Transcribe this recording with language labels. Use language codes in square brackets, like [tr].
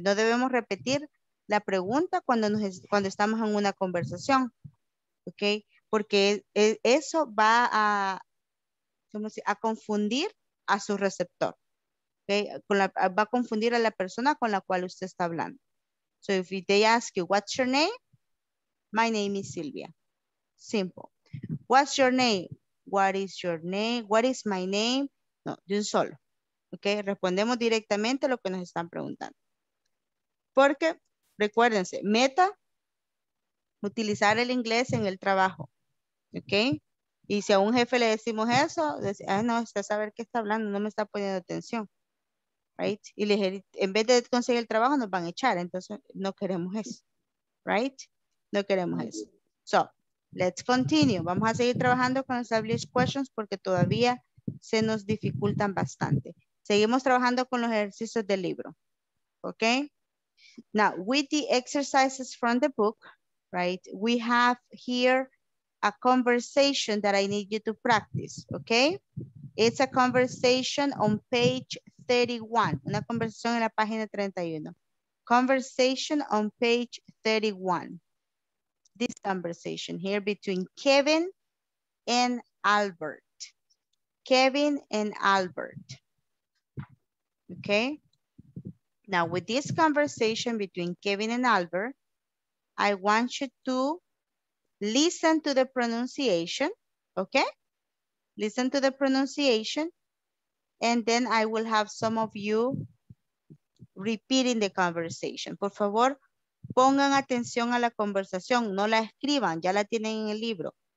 [es] No debemos repetir la pregunta cuando estamos en una conversación, ¿ok? Porque eso va a confundir a su receptor, ¿ok? Va a confundir a la persona con la cual usted está hablando. [en] So if they ask you, what's your name? My name is Silvia. Simple. What's your name? What is your name? What is my name? [es] No, de un solo. [en] ¿Ok? [es] Respondemos directamente a lo que nos están preguntando. Porque, recuérdense, meta, utilizar el inglés en el trabajo. ¿Ok? Y si a un jefe le decimos eso, dice, ay, no, está a saber qué está hablando, no me está poniendo atención. ¿Right? Y le dije, en vez de conseguir el trabajo, nos van a echar. Entonces, no queremos eso. ¿Right? No queremos eso. [en] So, let's continue. [es] Vamos a seguir trabajando con established questions porque todavía se nos dificultan bastante. Seguimos trabajando con los ejercicios del libro. ¿Ok? [en] Now, with the exercises from the book, right, we have here a conversation that I need you to practice, ¿ok? It's a conversation on page 31. [es] Una conversación en la página 31. [en] Conversation on page 31. This conversation here between Kevin and Albert. Kevin and Albert. ¿Ok? Now, with this conversation between Kevin and Albert, I want you to listen to the pronunciation, okay? Listen to the pronunciation, and then I will have some of you repeating the conversation. [es] Por favor, pongan atención a la conversación. No la escriban, ya la tienen en el libro.